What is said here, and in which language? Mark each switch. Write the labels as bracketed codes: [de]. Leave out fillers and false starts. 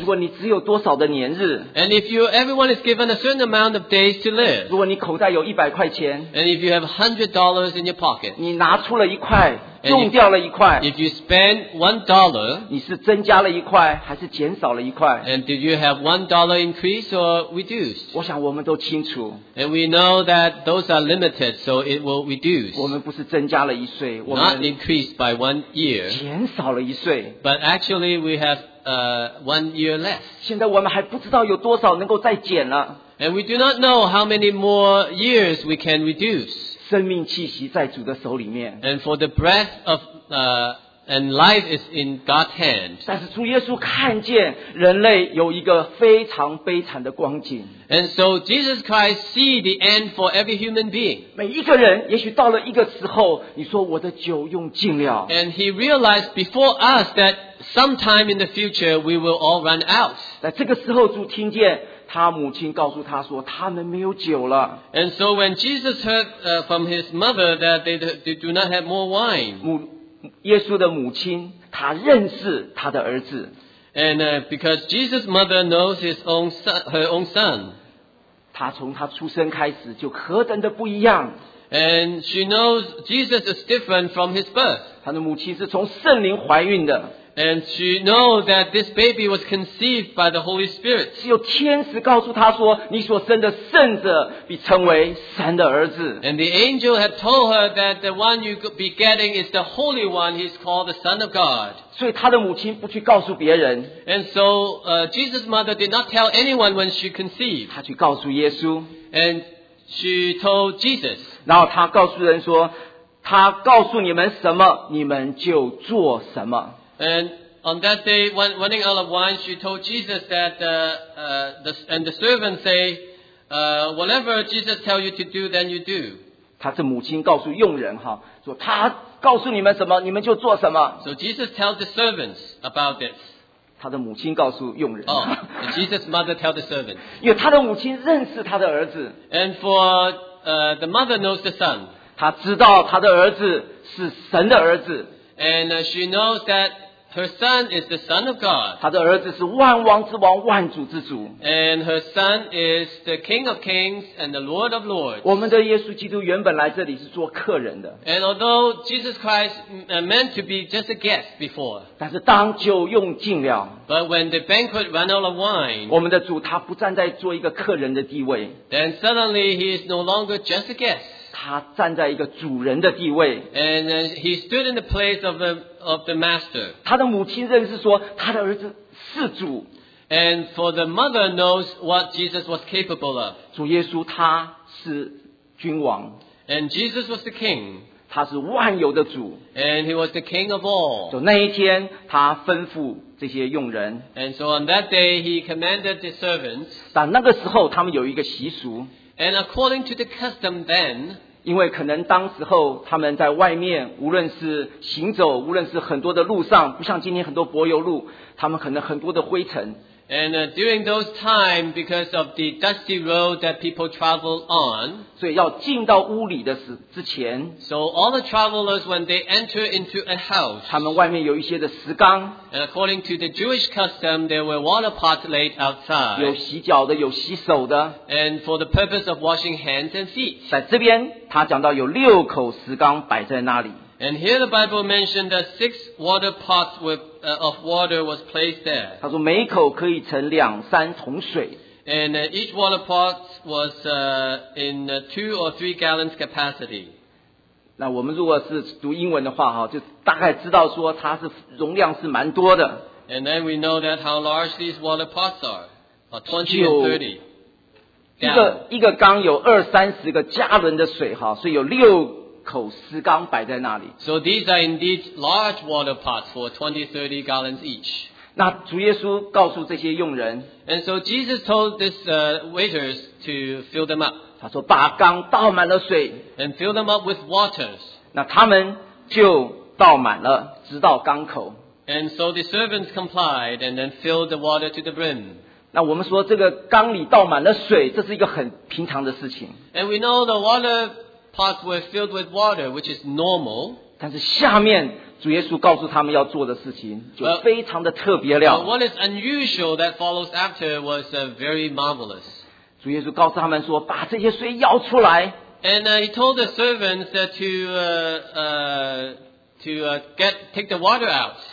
[zh] 如果你只有多少的年日? [en] And if everyone is given a certain amount of days to live? [zh] 如果你口袋有100块钱? [en] And if you have $100 in your pocket? [zh] 你拿出了一块, 用掉了一块? [en] If you spend $1, [zh] 你是增加了一块, 还是减少了一块? [en] And did you have $1 increase or reduced? [zh] 我想我们都清楚。 [en] And we know that those are limited, so it will reduce. [zh] 我们不是增加了一岁，我们 [en] not increased by 1 year， [zh] 减少了一岁。 [en] But actually, we have one year less. [zh] 现在我们还不知道有多少能够再减了。 [en] And we do not know how many more years we can reduce. [zh] 生命气息在主的手里面。 [en] And for the breath of and life is in God's hand. [zh] 但是主耶稣看见人类有一个非常悲惨的光景。 [en] And so Jesus Christ see the end for every human being. [zh] 每一个人也许到了一个时候，你说我的酒用尽了。 [en] And he realized before us that sometime in the future we will all run out. [zh] 在这个时候，主听见他母亲告诉他说他们没有酒了。 [en] And so when Jesus heard from his mother that they do not have more wine. [zh] 耶稣的母亲，她认识她的儿子。 [en] And because Jesus' mother knows his own son, her own son. [zh] 她从她出生开始就何等的不一样。 [en] And she knows Jesus is different from his birth. [zh] 她的母亲是从圣灵怀孕的。 [en] And she knows that this baby was conceived by the Holy Spirit. [zh] 只有天使告诉她说，你所生的圣者必称为神的儿子。 [en] And the angel had told her that the one you could be getting is the Holy One. He's called the Son of God. [zh] 所以她的母亲不去告诉别人。 [en] And so, Jesus' mother did not tell anyone when she conceived. [zh] 她去告诉耶稣。 [en] And she told Jesus. [zh] 然后她告诉人说，她告诉你们什么，你们就做什么。 [en] And on that day, when running out of wine, she told Jesus that, the servant say, whatever Jesus tell you to do, then you do. [zh] 她是母亲告诉佣人哈，说她告诉你们什么，你们就做什么。 [en] So Jesus tells the servants about this. [zh] 她的母亲告诉佣人。 [en] Oh, Jesus' mother tell the servants. [zh] 因为她的母亲认识她的儿子。 [en] And for, the mother knows the son. [zh] 她知道她的儿子是神的儿子。 [en] And she knows that her son is the son of God. [zh] 她的儿子是万王之王，万主之主。 [en] And her son is the King of Kings and the Lord of Lords. [zh] 我们的耶稣基督原本来这里是做客人的。 [en] And although Jesus Christ meant to be just a guest before, [zh] 但是当酒用尽了。 [en] But when the banquet ran out of wine, [zh] 我们的主他不站在做一个客人的地位。 [en] Then suddenly he is no longer just a guest. [zh] 他站在一个主人的地位。 [en] And he stood in the place of the master. [zh] 他的母亲认识说他的儿子是主。 [en] And for the mother knows what Jesus was capable of. [zh] 主耶稣他是君王。 [en] And Jesus was the king. [zh] 他是万有的主。 [en] And he was the king of all. [zh] 就那一天他吩咐这些佣人。 [en] And so on that day he commanded the servants. [zh] 但那个时候他们有一个习俗。 [en] And according to the custom then, [zh] 因为可能当时候他们在外面无论是行走无论是很多的路上不像今天很多柏油路他们可能很多的灰尘。 [en] And during those times, because of the dusty road that people travel on, [zh] 所以要进到屋里的时之前 [en] so all the travelers, when they enter into a house, [zh] 他们外面有一些的石缸 [en] and according to the Jewish custom, there were water pots laid outside, [zh] 有洗脚的有洗手的 [en] and for the purpose of washing hands and feet. [zh] 在这边他讲到有六口石缸摆在那里。 [en] And here the Bible mentioned that six water pots of water was placed there. [zh] 他说每一口可以盛两三桶水。 [en] And each water pot was in two or three gallons capacity. [zh] 那我们如果是读英文的话就大概知道说它是容量是蛮多的。 [en] And then we know that how large these water pots are, 20 and 30. [zh] 一个缸有二三十个加仑的水所以有六口石缸摆在那里。 [en] So these are indeed large water pots for 20, 30 gallons each. [zh] 那主耶稣告诉这些佣人。 [en] And so Jesus told this waiters to fill them up. [zh] 他说把缸倒满了水。 [en] And fill them up with waters. [zh] 那他们就倒满了直到缸口。 [en] And so the servants complied and then filled the water to the brim. [zh] 那我们说这个缸里倒满了水这是一个很平常的事情。 [en] And we know the water pots were filled with water, which is normal. [zh] 但是下面主耶稣告诉他们要做的事情就非常的特别了。 [en] But what is unusual that follows after was very marvelous. [zh] 主耶稣告诉他们说把这些水舀出来。 [en] And he told the servants that to take the water out.